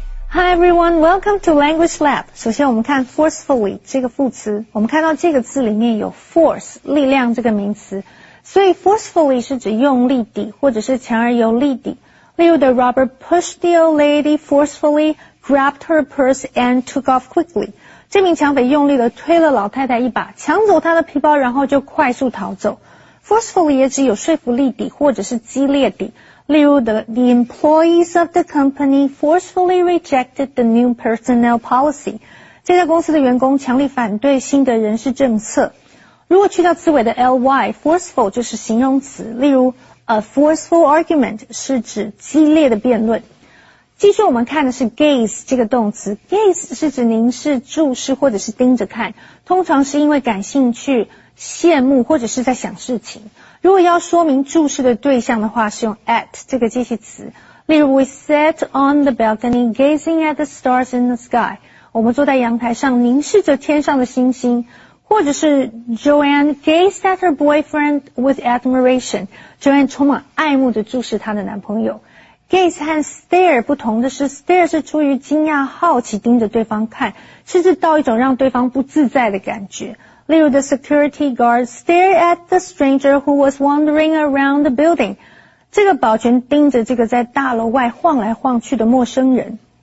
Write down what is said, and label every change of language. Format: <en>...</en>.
<en>Hi everyone, welcome to Language Lab.</en> <zh>首先我们看 forcefully 这个副词，我们看到这个字里面有 force 力量这个名词，所以 forcefully 是指用力抵或者是强而有力抵。</zh> <en>例如 the robber pushed the old lady forcefully, grabbed her purse and took off quickly.</en> <zh>这名强匪用力地推了老太太一把，抢走她的皮包，然后就快速逃走。 Forcefully 也指有说服力抵或者是激烈抵。</zh> <en>例如 the employees of the company forcefully rejected the new personnel policy.</en> <zh>这家公司的员工强力反对新的人事政策。如果去掉词尾的 ly, forceful 就是形容词，例如 a forceful argument 是指激烈的辩论。继续我们看的是 gaze 这个动词， gaze 是指凝视、注视或者是盯着看，通常是因为感兴趣、羡慕或者是在想事情。如果要说明注视的对象的话，是用 at 这个介系词，例如</zh> <en>we sat on the balcony gazing at the stars in the sky,</en> <zh>我们坐在阳台上凝视着天上的星星，或者是</zh> <en>Joanne gazed at her boyfriend with admiration.</en> <zh>Joanne 充满爱慕地注视她的男朋友。Gaze 和 stare 不同的是 ,stare 是出于惊讶好奇盯着对方看，甚至到一种让对方不自在的感觉。</zh> <en>例如 the security guard stared at the stranger who was wandering around the building.</en> <zh>这个保全盯着这个在大楼外晃来晃去的陌生人。</zh>